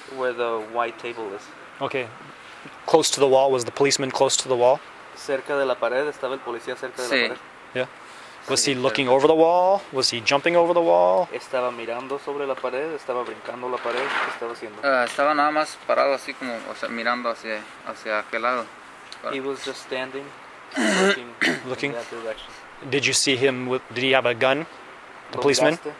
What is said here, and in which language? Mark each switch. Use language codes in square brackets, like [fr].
[en] Where the white table is. Okay. Close to the wall, was the policeman close to the wall? [es] Cerca de la pared, ¿estaba el policía cerca sí. de la pared? [en] Yeah. Was sí, he looking sí. over the wall? Was he jumping over the wall? [es] ¿Estaba mirando sobre la pared? ¿Estaba brincando la pared? ¿Qué estaba haciendo? Estaba nada más parado así como, o sea, mirando hacia aquel lado. [en] He was just standing, looking in that direction. Did you see him with, did he have a gun, the policeman?